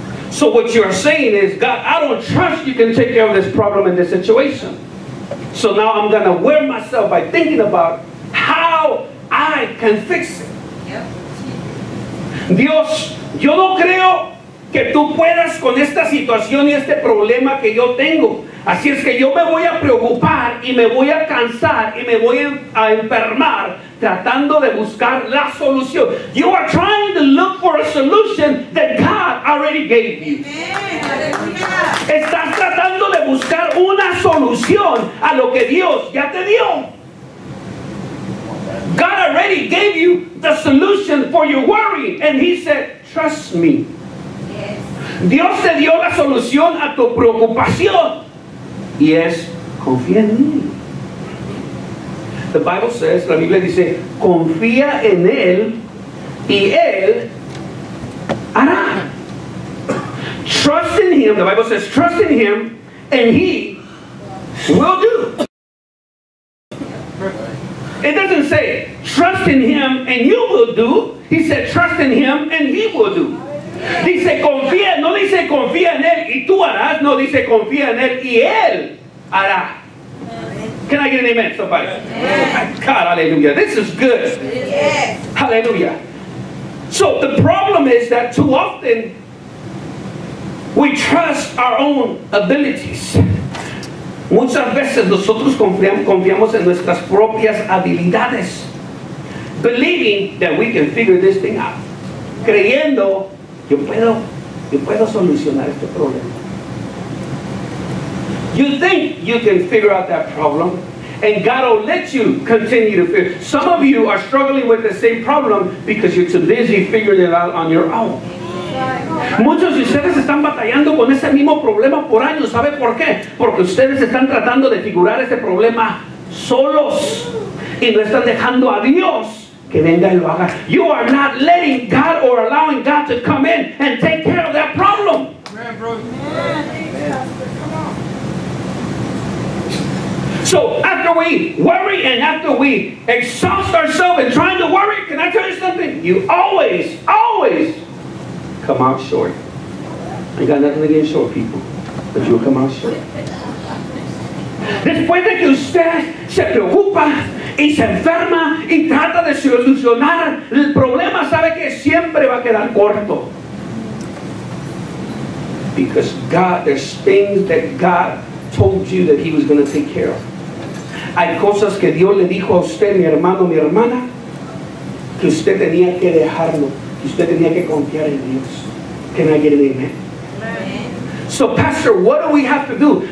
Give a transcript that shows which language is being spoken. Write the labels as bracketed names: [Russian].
[English] So what you're saying is, God, I don't trust you can take care of this problem in this situation. So now I'm going to wear myself by thinking about how I can fix it. [Spanish] Dios, yo no creo que tú puedas con esta situación y este problema que yo tengo. Así es que yo me voy a preocupar y me voy a cansar y me voy a enfermar tratando de buscar la solución. [English] You are trying to look for a solution that God already gave you. [Spanish] Estás tratando de buscar una solución a lo que Dios ya te dio. [English] God already gave you the solution for your worry. And he said, trust me. [Spanish] Dios te dio la solución a tu preocupación. Y es, confía en mí. [English] The Bible says, [Spanish] la Biblia dice, confía en Él y Él hará. [English] Trust in Him, the Bible says, trust in Him and He will do. It doesn't say, trust in Him and you will do. He said, trust in Him and He will do. [Spanish] Dice, confía, no dice, confía en Él y tú harás. No, dice, confía en Él y Él hará. [English] Can I get an amen, somebody? Yes. Oh my God, hallelujah. This is good. Yes. Hallelujah. So the problem is that too often we trust our own abilities. [Spanish] Muchas veces nosotros confiamos en nuestras propias habilidades. [English] Believing that we can figure this thing out. [Spanish] Creyendo, yo puedo solucionar este problema. [English] You think you can figure out that problem, and God will let you continue to figure. Some of you are struggling with the same problem because you're too busy figuring it out on your own. [Spanish] Muchos de ustedes están batallando con ese mismo problema por años. ¿Sabe por qué? Porque ustedes están tratando de figurar ese problema solos y no están dejando a Dios que venga y lo haga. [English] You are not letting God or allowing God to come in and take care of that problem. So after we worry and after we exhaust ourselves in trying to worry, can I tell you something? You always, always come out short. I got nothing against short people, but you'll come out short. [Spanish] Después de que usted se preocupa y se enferma y trata de solucionar el problema, sabe que siempre va a quedar corto. [English] Because God, there's things that God told you that He was going to take care of. [Spanish] Hay cosas que Dios le dijo a usted, mi hermano, mi hermana, que usted tenía que dejarlo, que usted tenía que confiar en Dios. [English] Can I get an amen? So, Pastor, what do we have to do?